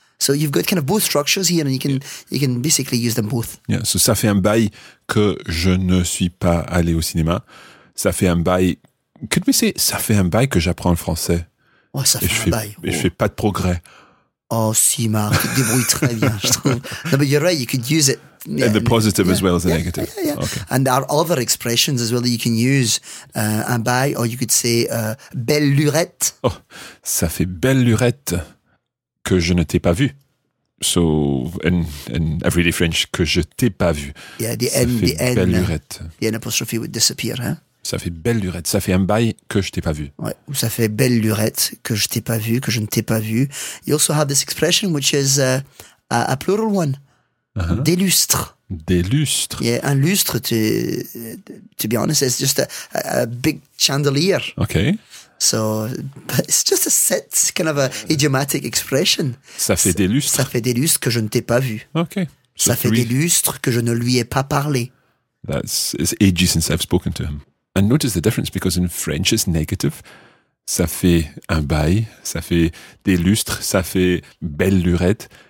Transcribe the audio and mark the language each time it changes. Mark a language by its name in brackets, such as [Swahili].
[English] So you've got kind of both structures here and you can basically use them both. [French] Yeah, so ça fait un bail que je ne suis pas allé au cinéma. Ça fait un bail... Could we say, ça fait un bail que j'apprends le français? Oh, ça fait un bail. Et je fais pas de progrès. Oh, si, Marc, tu te débrouilles très bien, je trouve. No, but you're right, you could use it. [English] Yeah, in the positive as well as the negative. Yeah, yeah. Okay. And there are other expressions as well that you can use. Un bail, or you could say belle lurette. [French] Oh, ça fait belle lurette que je ne t'ai pas vu. So, in everyday French, que je t'ai pas vu. [English] Yeah, the N apostrophe would disappear. Hein? [French] Ça fait belle lurette. Ça fait un bail que je t'ai pas vu. Ouais, ou ça fait belle lurette que je t'ai pas vu, que je ne t'ai pas vu. [English] You also have this expression which is a plural one. [French] Uh-huh. Des lustres. Des lustres. [English] Yeah, un lustre, to be honest, it's just a big chandelier. Okay. So, but it's just a set, kind of a idiomatic expression. [French] Ça fait des lustres. Ça fait des lustres que je ne t'ai pas vu. [English] Okay. [French] So ça fait des lustres que je ne lui ai pas parlé. [English] It's ages since I've spoken to him. And notice the difference, because in French, it's negative. [French] Ça fait un bail, ça fait des lustres, ça fait belle lurette.